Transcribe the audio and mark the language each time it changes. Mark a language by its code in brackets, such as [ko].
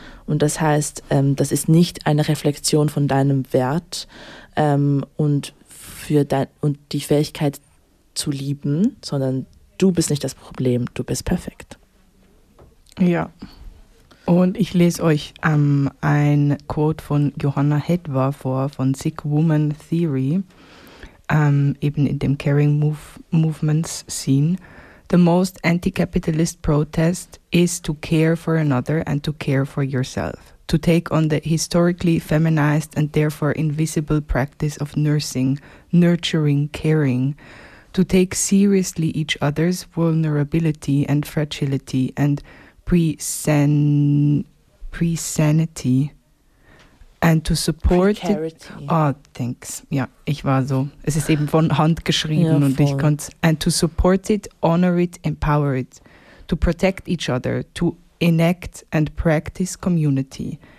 [de] Und das heißt, das ist nicht eine Reflexion von deinem Wert und und die Fähigkeit zu lieben, sondern du bist nicht das Problem, du bist perfekt. Ja, und ich lese euch ein Quote von Johanna Hedwar vor, von Sick Woman Theory, eben in dem Caring Movements Scene. [en] The most anti-capitalist protest is to care for another and to care for yourself. To take on the historically feminized and therefore invisible practice of nursing, nurturing, caring. To take seriously each other's vulnerability and fragility and pre-sanity. And to support... thanks. [de] Ja, ich war so. Es ist eben von Hand geschrieben, ja, und ich konnte... [en] And to support it, honor it, empower it. To protect each other, to enact and practice community.